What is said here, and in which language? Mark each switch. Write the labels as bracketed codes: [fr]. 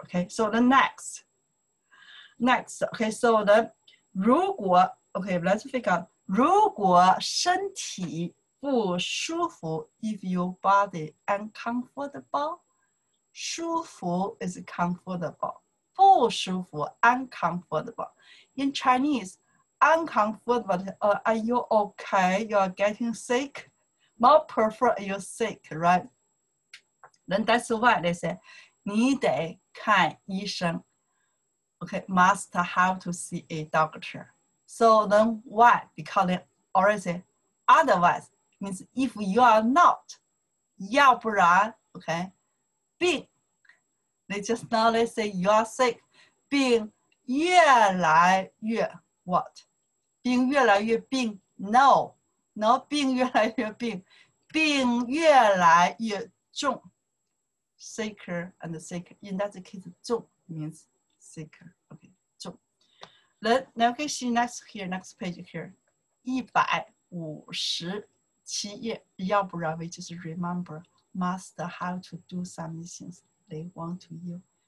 [en] Okay, so the next. Okay, so the 如果 okay, let's figure out. [zh] 如果身体不舒服 [en] if your body uncomfortable, 舒服 is comfortable. 不舒服 uncomfortable. In Chinese, uncomfortable, are you okay? You are getting sick? More prefer you're sick, right? Then that's why they say, [zh] 你得看医生 [en] Okay, must have to see a doctor. So then why? Because they already say, otherwise, means if you are not, 要不然 okay, 病 They just now they say, you are sick, [zh] 病越来越 [en] what? [zh] 病越来越病 No, no, 病越来越病病越来越重 [en] Sicker and sicker. In that case, 重 means sicker. Okay, 重 Then, okay, see next here, next page here. 157 页要不然 we just remember, must have to do some things they want to you.